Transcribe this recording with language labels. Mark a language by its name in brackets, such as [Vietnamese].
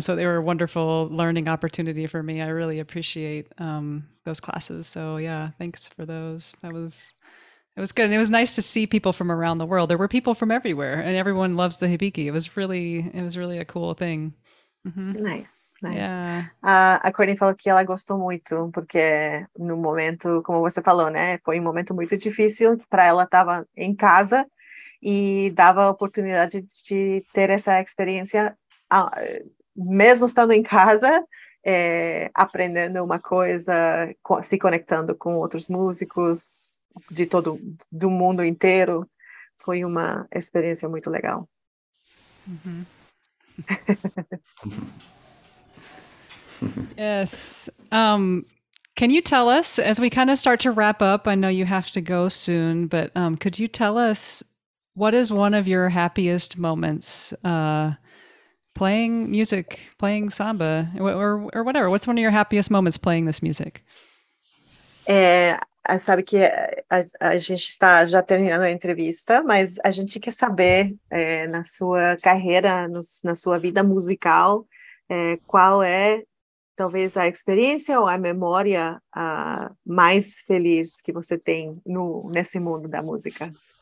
[English] So they were a wonderful learning opportunity for me. I really appreciate those classes. So yeah, thanks for those. It was good. And it was nice to see people from around the world. There were people from everywhere, and everyone loves the hibiki. It was really a cool thing. Mm-hmm. Nice. Yeah. [Portuguese] A Corinne falou que ela gostou muito, porque no momento, como você falou, né, foi um momento muito difícil para ela, tava em casa, e dava a oportunidade de ter essa experiência, mesmo estando em casa, aprendendo uma coisa, se conectando com outros músicos de todo do mundo inteiro. Foi uma experiência muito legal. [English] Uhum. Yes. Can you tell us, as we kind of start to wrap up, I know you have to go soon, but could you tell us, what is one of your happiest moments playing music, playing samba, or whatever? What's one of your happiest moments playing this music? [Portuguese] Sabe que a gente está já terminando a entrevista, mas a gente quer saber na sua carreira, na sua vida musical, qual é talvez a experiência ou a memória mais feliz que você tem nesse mundo da música?